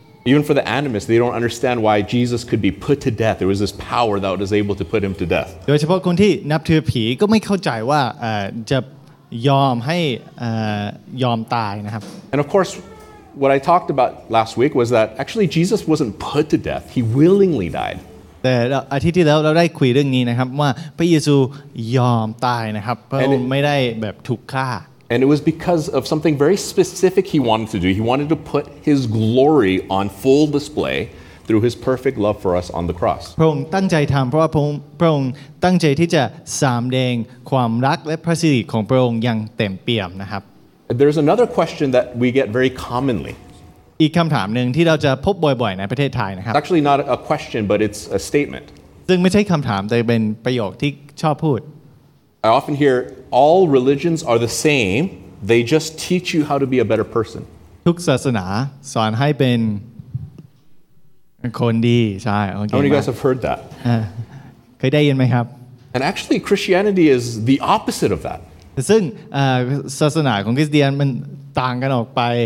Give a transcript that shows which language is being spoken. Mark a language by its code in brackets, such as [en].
[en] Even for the animists, they don't understand why Jesus could be put to death. There was this power that was able to put him to death. [th] โดยเฉพาะคนที่นับถือผีก็ไม่เข้าใจว่าจะยอมให้ยอมตายนะครับ [en] And of course, what I talked about last week was that actually Jesus wasn't put to death. He willingly died. [th] แต่อาทิตย์ที่แล้วเราได้คุยเรื่องนี้นะครับว่าพระเยซูยอมตายนะครับเพราะไม่ได้แบบถูกฆ่า [en] And it was because of something very specific he wanted to do. He wanted to put his glory on full display through his perfect love for us on the cross. [th] พระองค์ตั้งใจทำเพราะว่าพระองค์ตั้งใจที่จะสำแดงความรักและพระสิริของพระองค์อย่างเต็มเปี่ยมนะครับ [en] There's another question that we get very commonly. [th] อีกคำถามหนึ่งที่เราจะพบบ่อยๆในประเทศไทยนะครับ [en] It's actually not a question, but it's a statement. [th] ซึ่งไม่ใช่คำถามแต่เป็นประโยคที่ชอบพูด [en] I often hear all religions are the same. They just teach you how to be a better person. [th] ทุกศาสนาสอนให้เป็นคนดีใช่ [en] How many of you guys have heard that? [th] เคยได้ยินไหมครับ [en] And actually, Christianity is the opposite of that. [th] ซึ่งศาสนาของคริสเตียนมันต่างกันออกไป